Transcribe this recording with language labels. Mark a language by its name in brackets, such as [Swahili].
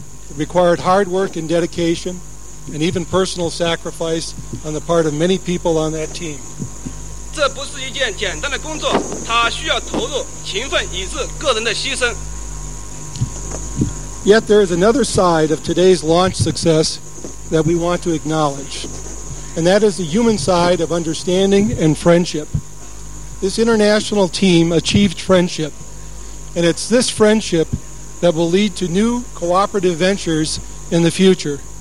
[English] It required hard work and dedication, and even personal sacrifice on the part of many people on that team. [Chinese] 这不是一件简单的工作，它需要投入、勤奋、意志、个人的牺牲。 [English] Yet there is another side of today's launch success that we want to acknowledge, and that is the human side of understanding and friendship. This international team achieved friendship, and it's this friendship that will lead to new cooperative ventures in the future.